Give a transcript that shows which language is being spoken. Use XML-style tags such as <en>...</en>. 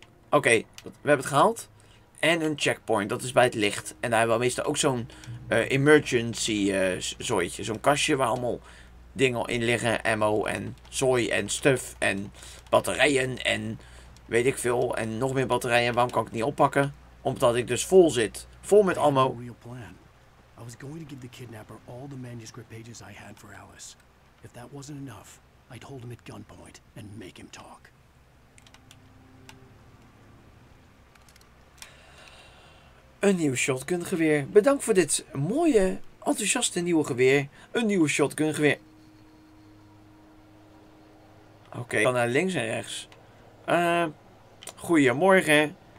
<nl>Oké, we hebben het gehaald. En een checkpoint, dat is bij het licht. En daar hebben we meestal ook zo'n emergency zooitje. Zo'n kastje waar allemaal dingen in liggen. Ammo en zooi en stuff en batterijen en weet ik veel. En nog meer batterijen. Waarom kan ik het niet oppakken? Omdat ik dus vol zit. Vol met ammo.</nl> <en>I was going to give the kidnapper all the manuscript pages I had for Alice. If that wasn't enough, I'd hold him at gunpoint and make him talk.</en> <nl>Een nieuw shotgungeweer. Bedankt voor dit mooie, enthousiaste nieuwe geweer. Een nieuw shotgungeweer. Oké, dan naar links en rechts. Goedemorgen.</nl>